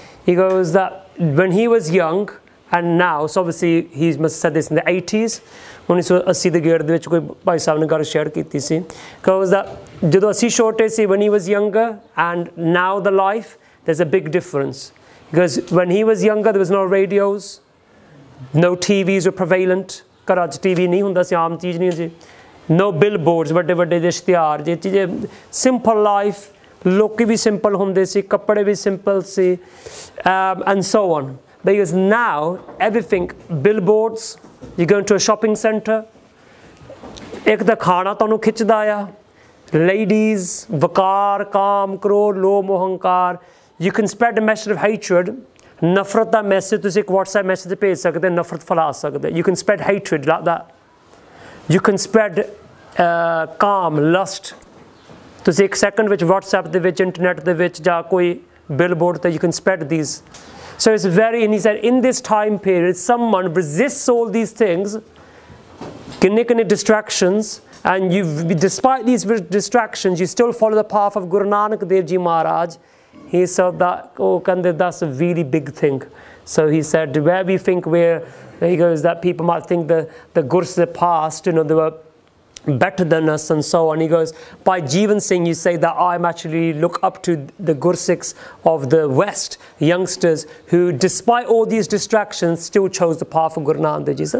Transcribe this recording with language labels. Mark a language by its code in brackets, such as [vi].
[en] He goes that when he was young and now, so obviously he must have said this in the 80s, when he saw a [pa] Sidh Gir de vich koi bhai saab ne gall share kiti si, [en] goes that [pa] jadon assi chote si [en] when he was younger and now the life, there's a big difference. Because when he was younger, there was no radios, no TVs were prevalent. [pa] ਘਰਾਂ 'ਚ T V ਨਹੀਂ ਹੁੰਦਾ ਸੀ, ਆਮ ਚੀਜ਼ ਨਹੀਂ ਸੀ. [en] no bill boards, [pa] ਵੱਡੇ ਵੱਡੇ ਦੇ ਇਸ਼ਤਿਹਾਰ, ਜੇ ਚੀਜ਼ ਸਿੰਪਲ ਲਾਈਫ, ਲੋਕ ਵੀ ਸਿੰਪਲ ਹੁੰਦੇ ਸੀ, ਕੱਪੜੇ ਵੀ simple ਸੀ, [en] And so on. Because now everything bill boards, you going to a shopping centre, [pa] ਇੱਕ ਤਾਂ ਖਾਣਾ ਤੁਹਾਨੂੰ ਖਿੱਚਦਾ ਆ, ਲੇਡੀਜ਼ ਵਕਾਰ ਕਾਮ ਕਰੋੜ ਲੋ ਮੋਹੰਕਾਰ, [en] You can spread a message of hatred. [pa] ਨਫ਼ਰਤ ਦਾ ਮੈਸੇਜ ਤੁਸੀਂ ਇੱਕ ਵਟਸਐਪ ਮੈਸੇਜ ਭੇਜ ਸਕਦੇ, ਨਫ਼ਰਤ ਫੈਲਾ ਸਕਦੇ. [en] You can spread hatred like that, you can spread ਕਾਮ lust. [pa] ਤੁਸੀਂ ਇੱਕ ਸੈਕਿੰਡ ਵਿੱਚ ਵਟਸਐਪ ਦੇ ਵਿੱਚ, ਇੰਟਰਨੈਟ ਦੇ ਵਿੱਚ, ਜਾਂ ਕੋਈ ਬਿੱਲ ਬੋਰਡ 'ਤੇ, [en] You can spread these. So it's very in he said in this time period someone resists all these things, [pa] ਕਿੰਨੇ ਕਿੰਨੇ distractions, [en] And you despite these distractions, you still follow the path of Guru Nanak Dev ji Maharaj. He said that, oh, can they, that's a really big thing. So he said, where we think we're, he goes, that people might think the gurus of the past, you know, they were better than us and so on. He goes, by Jeevan Singh, you say that I'm actually look up to the gursikhs of the West, youngsters, who despite all these distractions, still chose the path of Guru Nanak Ji.